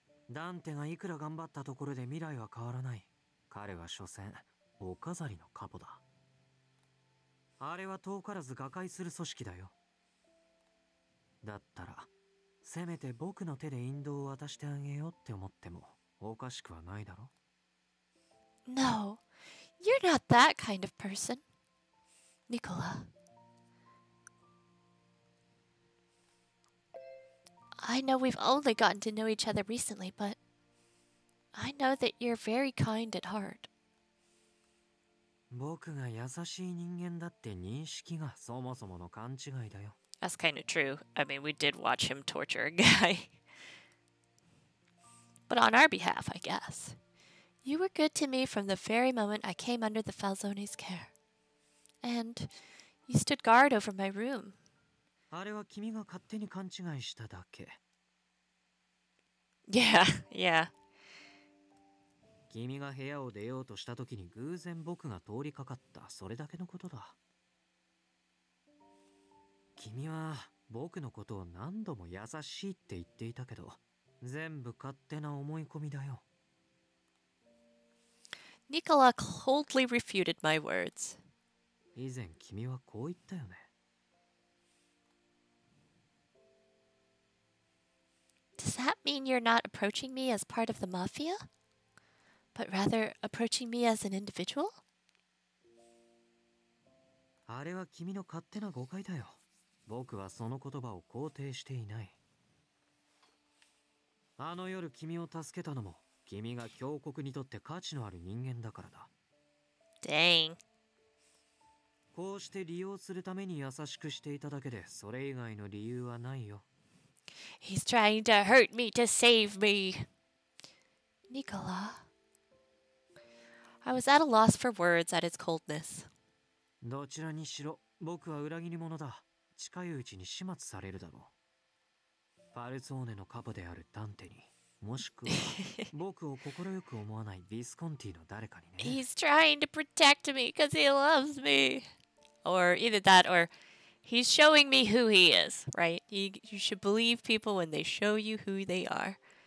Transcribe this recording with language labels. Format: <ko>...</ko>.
<ja>ダンテがいくら頑張ったところで未来は変わらない。彼は所詮お飾りのカポだ。あれは遠からず瓦解する組織だよ。だったらせめて僕の手で引導を渡してあげようって思ってもおかしくはないだろ。</ja> <en>No, you're not that kind of person, Nicola. I know we've only gotten to know each other recently, but I know that you're very kind at heart.</en> <ja>僕が優しい人間だって認識がそもそもの勘違いだよ。</ja> <en>That's kind of true. I mean, we did watch him torture a guy. But on our behalf, I guess. You were good to me from the very moment I came under the Falzoni's care. And you stood guard over my room.</en> <ja>あれは君が勝手に勘違いしただけ。</ja> <en>Yeah, yeah.</en> <ja>君が部屋を出ようとした時に偶然僕が通りかかった、それだけのことだ。君は僕のことを何度も優しいって言っていたけど、全部勝手な思い込みだよ。</ja> <en>ニコラ coldly refuted my words.</en> <ja>以前君はこう言ったよね。</ja> <en>Does that mean you're not approaching me as part of the Mafia? But rather approaching me as an individual?</en> <ja>あれは君の勝手な誤解だよ。僕はその言葉を肯定していない。あの夜君を助けたのも、君が強国にとって価値のある人間だからだ。</ja> <en>Dang.</en> <ja>こうして利用するために優しくしていただけで、それ以外の理由はないよ。</ja> <en>He's trying to hurt me to save me. Nicola? I was at a loss for words at its coldness.</en> <ja>どちらにしろ、僕は裏切り者だ。近いうちに始末されるだろう。ファルツォーネのカポであるダンテに、もしくは僕を心よく思わないビスコンティの誰かにね。</ja> <en>He's trying to protect me because he loves me. Or either that, or he's showing me who he is, right? You should believe people when they show you who they are.</en>